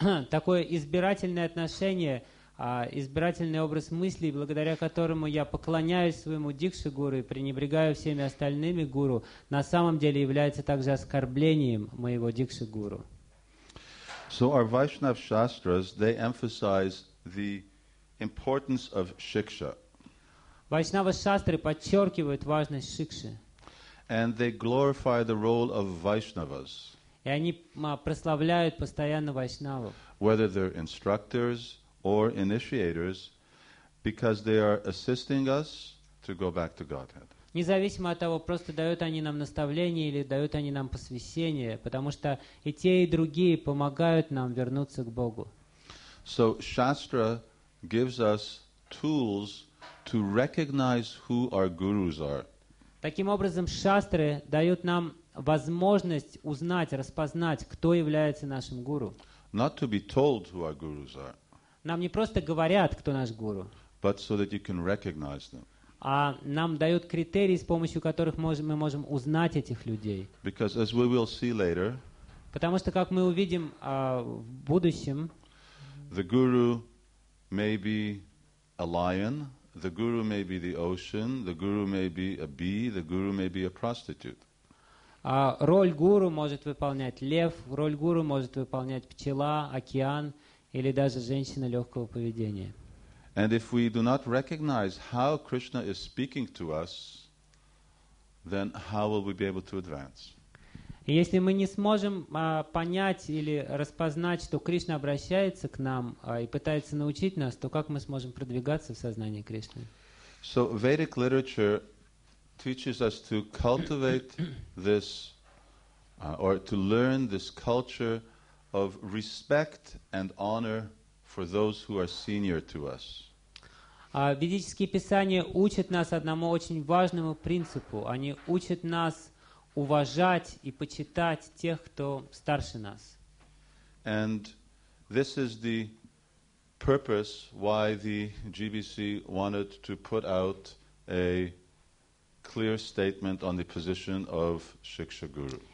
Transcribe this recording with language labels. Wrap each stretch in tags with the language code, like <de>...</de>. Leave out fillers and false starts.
<ru>Такое избирательное отношение, избирательный образ мыслей, благодаря которому я поклоняюсь своему дикшу-гуру и пренебрегаю всеми остальными гуру, на самом деле является также оскорблением моего дикшу-гуру.</ru> <en>So our Vaishnav Shastras, they emphasize the importance of shiksha.</en> <ru>Vaishnava Shastra подчеркивают важность шикши.</ru> <en>And they glorify the role of Vaishnavas.</en> <ru>И они прославляют постоянно Вайшнавов.</ru> <en>Whether they're instructors or initiators, because they are assisting us to go back to Godhead.</en> <ru>Независимо от того, просто дают они нам наставление или дают они нам посвящение, потому что и те, и другие помогают нам вернуться к Богу.</ru> <en>So Shastra gives us tools to recognize who our gurus are.</en> <ru>Таким образом, Шастры дают нам возможность узнать, распознать, кто является нашим гуру.</ru> <en>Not to be told who our gurus are.</en> <ru>Нам не просто говорят, кто наш гуру,</ru> <en>but so that you can recognize them.</en> <ru>А нам дают критерии, с помощью которых мы можем узнать этих людей.</ru> <en>Because as we will see later,</en> <ru>потому что, как мы увидим в будущем,</ru> <en>the guru may be a lion, the guru may be the ocean, the guru may be a bee, the guru may be a prostitute.</en> <ru>Роль гуру может выполнять лев, роль гуру может выполнять пчела, океан, или даже женщина легкого поведения.</ru> <en>And if we do not recognize how Krishna is speaking to us, then how will we be able to advance?</en> <ru>Если мы не сможем понять или распознать, что Кришна обращается к нам и пытается научить нас, то как мы сможем продвигаться в сознании Кришны?</ru> <en>So Vedic literature teaches us to cultivate this or to learn this culture of respect and honor for those who are senior to us.</en> <ru>Ведические писания учат нас одному очень важному принципу. Они учат нас уважать и почитать тех, кто старше нас.</ru> <en>And this is the purpose why the GBC wanted to put out a clear statement on the position of Shiksha Guru.</en>